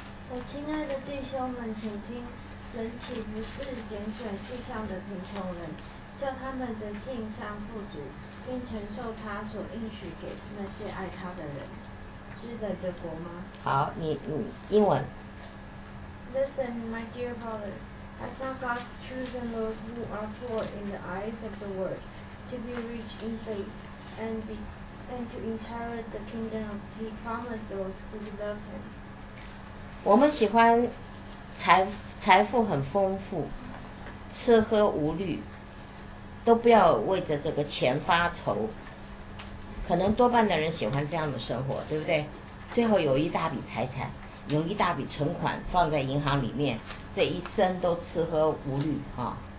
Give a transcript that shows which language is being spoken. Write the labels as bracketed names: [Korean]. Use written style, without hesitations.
[Chinese] 我亲爱的弟兄们，请听，神岂不是拣选世上的贫穷人，叫他们的信上富足，并承受他所应许给那些爱他的人之人的国吗？好，你英文。 [English] Listen, my dear brothers, has not God chosen those who are poor in the eyes of the world to be rich in faith and to inherit the kingdom he promised those who love him? [Chinese] 我们喜欢财富很丰富，吃喝无虑，都不要为着这个钱发愁，可能多半的人喜欢这样的生活，对不对？最后有一大笔财产，有一大笔存款放在银行里面，这一生都吃喝无虑啊。